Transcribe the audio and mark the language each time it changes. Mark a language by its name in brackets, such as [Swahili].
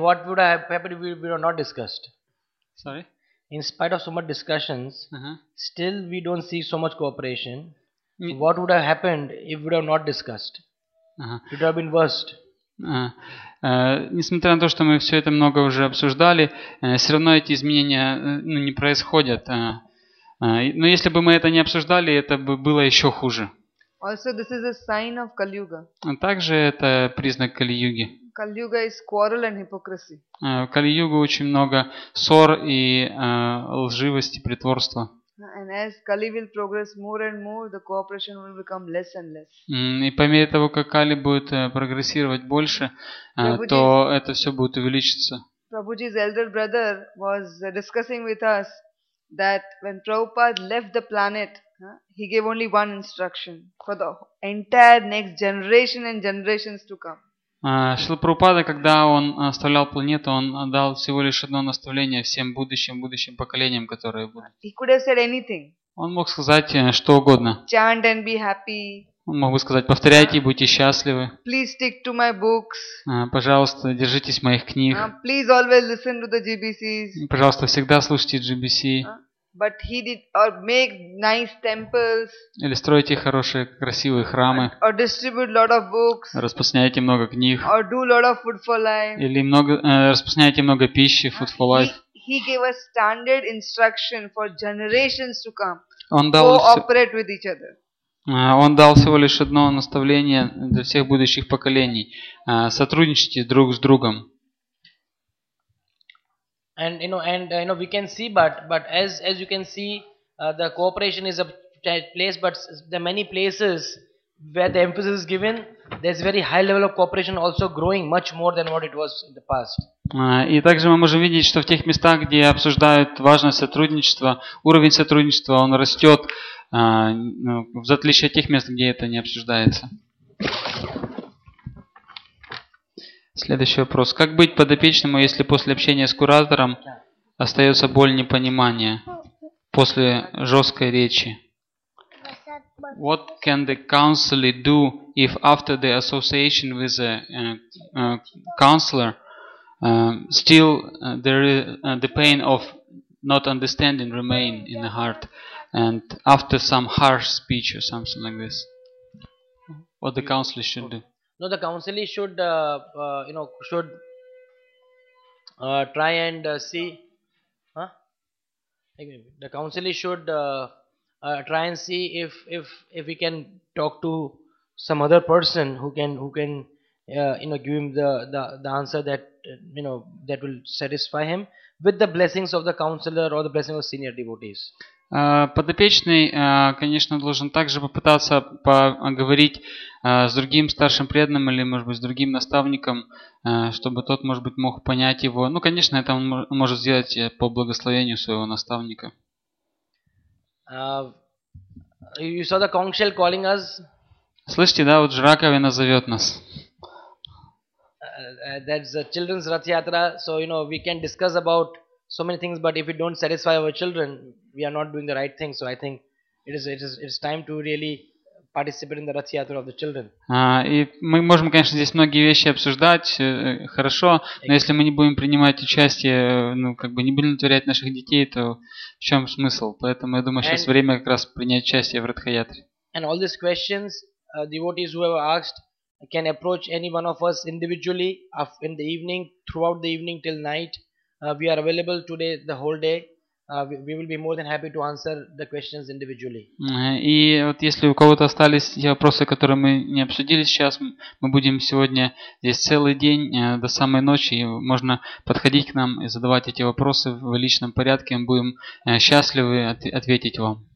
[English] What would have happened if we were not discussed? Sorry? In spite of so much discussions, still we don't see so much cooperation. What would have happened if we have not discussed? It would have been worse. [Russian] Несмотря на то, что мы все это много уже обсуждали, все равно эти изменения не происходят. Но если бы мы это не обсуждали, это бы было еще хуже. [English] Also, this is a sign of Kali Yuga. [Russian] Также это признак Кали-Юги. [English] Kali-yuga is quarrel and hypocrisy. [Russian] В Кали-Юге очень много ссор и лживости, притворства. [English] And as Kali will progress more and more, the cooperation will become less and less. [Russian] И по мере того, как Кали будет прогрессировать больше, то это все будет увеличиться. [English] Prabhuji's elder brother was discussing with us that when Prabhupada left the planet, he gave only one instruction for the entire next generation and generations to come. [Russian] Шрила Прабхупада, когда он оставлял планету, он дал всего лишь одно наставление всем будущим поколениям, которые будут. [English] He could have said anything. [Russian] Он мог сказать что угодно. [English] Chant and be happy. [Russian] Он мог бы сказать: повторяйте и будьте счастливы. [English] Please stick to my books. [Russian] Пожалуйста, держитесь моих книг. [English] Please always listen to the GBCs. [Russian] Пожалуйста, всегда слушайте GBC. [English] But he did or make nice temples. [Russian] Или стройте хорошие красивые храмы. [English] Or distribute lot of books. [Russian] Распространяйте много книг. [English] Or do lot of food for life. [Russian] Или распространяйте много пищи, [English] food for life. He gave a standard instruction for generations to come. [Russian] Он дал [English] cooperate with each other. [Russian] Он дал всего лишь одно наставление для всех будущих поколений: сотрудничайте друг с другом. [English] And you know, we can see, but as you can see, the cooperation is a place, but there are many places where the emphasis is given. There's very high level of cooperation also growing much more than what it was in the past. [Russian] И также мы можем видеть, что в тех местах, где обсуждают важность сотрудничества, уровень сотрудничества он растет, в отличие от тех мест, где это не обсуждается. Следующий вопрос. Как быть подопечному, если после общения с куратором остается боль непонимания после жесткой речи? [English] What can the counselor do if after the association with a counselor still there is the pain of not understanding remain in the heart and after some harsh speech or something like this? What the counselor should do? No, the counselor should should try and see. The counselor should try and see if he can talk to some other person who can give him the answer that that will satisfy him with the blessings of the counselor or the blessing of senior devotees. [Russian] Подопечный, конечно, должен также попытаться поговорить с другим старшим преданным или, может быть, с другим наставником, чтобы тот, может быть, мог понять его. Ну, конечно, это он может сделать по благословению своего наставника. [English] You saw the conch shell calling us? [Russian] Слышите, да, вот жраковина зовет нас. [English] That's a children's Rath Yatra, so, we can discuss about so many things, but if we don't satisfy our children, we are not doing the right thing. So I think it is time to really participate in the Rath Yatra of the children. [Russian] И мы можем, конечно, здесь многие вещи обсуждать, хорошо, но если мы не будем принимать участие, не будем удовлетворять наших детей, то в чем смысл? Поэтому я думаю, сейчас время как раз принять участие в Ратха Ятре. [English] And all these questions, devotees who have asked can approach any one of us individually in the evening, throughout the evening till night. We are available today the whole day. We will be more than happy to answer the questions individually. [Russian] И вот если у кого-то остались те вопросы, которые мы не обсудили сейчас, мы будем сегодня здесь целый день до самой ночи. Можно подходить к нам и задавать эти вопросы в личном порядке. Мы будем счастливы ответить вам.